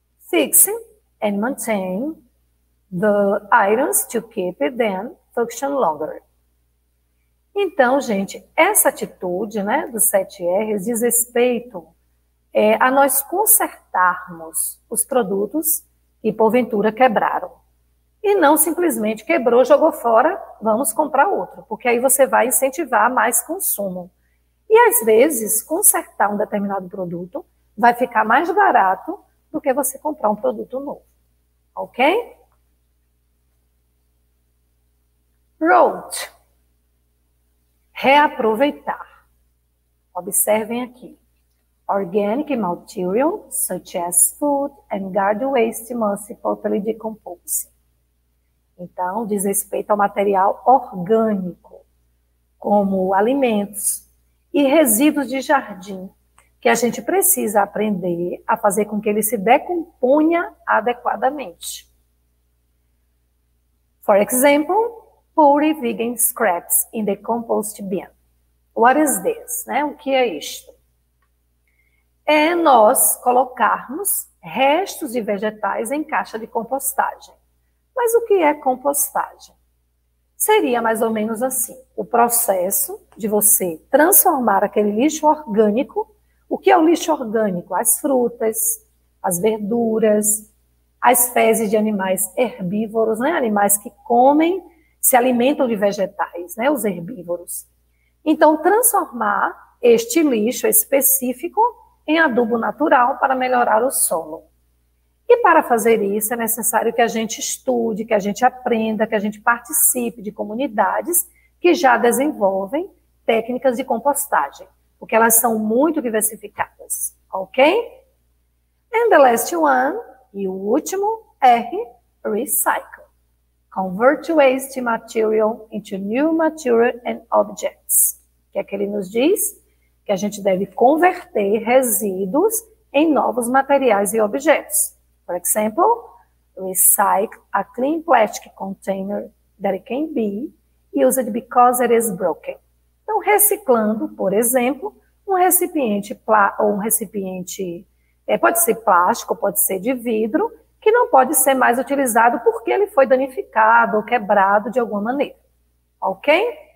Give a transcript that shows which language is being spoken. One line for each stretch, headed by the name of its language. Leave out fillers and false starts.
English: Fixing and maintain the items to keep them function longer.
Portuguese: Então, gente, essa atitude, né, dos 7 R's diz respeito a nós consertarmos os produtos que porventura quebraram. E não simplesmente quebrou, jogou fora, vamos comprar outro, porque aí você vai incentivar mais consumo. E às vezes, consertar um determinado produto vai ficar mais barato do que você comprar um produto novo. Ok? Wrote. Reaproveitar. Observem aqui.
English: Organic material, such as food and garden waste, must properly decompose.
Portuguese: Então, diz respeito ao material orgânico, como alimentos e resíduos de jardim, que a gente precisa aprender a fazer com que ele se decomponha adequadamente.
English: For example, put vegan scraps in the compost bin. What is this?
Portuguese: Né? O que é isto? É nós colocarmos restos de vegetais em caixa de compostagem. Mas o que é compostagem? Seria mais ou menos assim, o processo de você transformar aquele lixo orgânico. O que é o lixo orgânico? As frutas, as verduras, as fezes de animais herbívoros, né? Animais que comem, se alimentam de vegetais, né? Os herbívoros. Então, transformar este lixo específico em adubo natural para melhorar o solo. E para fazer isso, é necessário que a gente estude, que a gente aprenda, que a gente participe de comunidades que já desenvolvem técnicas de compostagem, porque elas são muito diversificadas, ok?
English: And the last one,
Portuguese: e o último,
English: R, recycle. Convert waste material into new material and objects.
Portuguese: O que é que ele nos diz? Que a gente deve converter resíduos em novos materiais e objetos.
English: For example, recycle a clean plastic container that can be used because it is broken.
Portuguese: Então, reciclando, por exemplo, um recipiente, pode ser plástico, pode ser de vidro, que não pode ser mais utilizado porque ele foi danificado ou quebrado de alguma maneira. Ok?